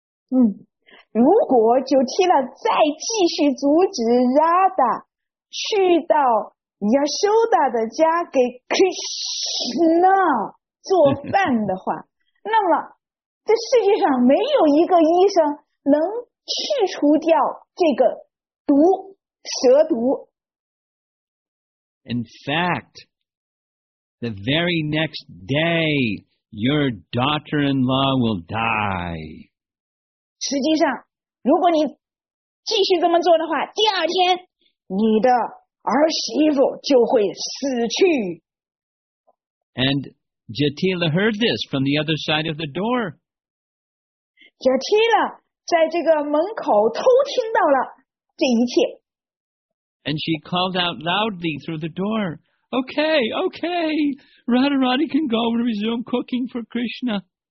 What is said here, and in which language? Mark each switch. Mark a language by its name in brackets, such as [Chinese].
[Chinese] 如果 Jatila 再继续阻止 Radha去到 Yashoda 的家给 Krishna 做饭的话，那么这世界上没有一个医生能去除掉这个毒，蛇毒。 [English] In fact, the very next day, your daughter-in-law will die. [Chinese] 实际上，如果你继续这么做的话，第二天你的儿媳妇就会死去。 [English] And Jatila heard this from the other side of the door. [Chinese] Jatila 在这个门口偷听到了这一切。 [English] And she called out loudly through the door, Okay, okay, Radharani can go and resume cooking for Krishna.